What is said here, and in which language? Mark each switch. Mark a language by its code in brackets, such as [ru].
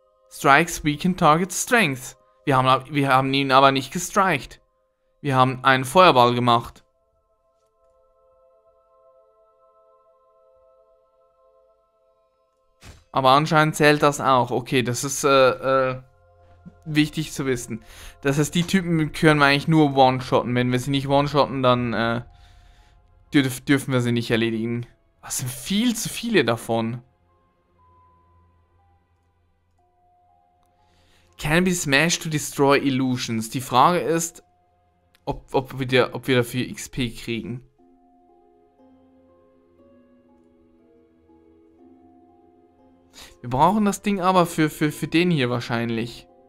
[en] Strikes, Weaken, Target, Strength. [de] Wir haben ihn aber nicht gestrikt. Wir haben einen Feuerball gemacht. Aber anscheinend zählt das auch. Okay, das ist, wichtig zu wissen. Das heißt, die Typen können wir eigentlich nur one-shotten. Wenn wir sie nicht one-shotten, dann dürfen wir sie nicht erledigen. Das sind viel zu viele davon. [en] Can be smashed to destroy illusions. [de] Die Frage ist, ob wir dafür XP kriegen. Wir brauchen das Ding aber für den hier wahrscheinlich.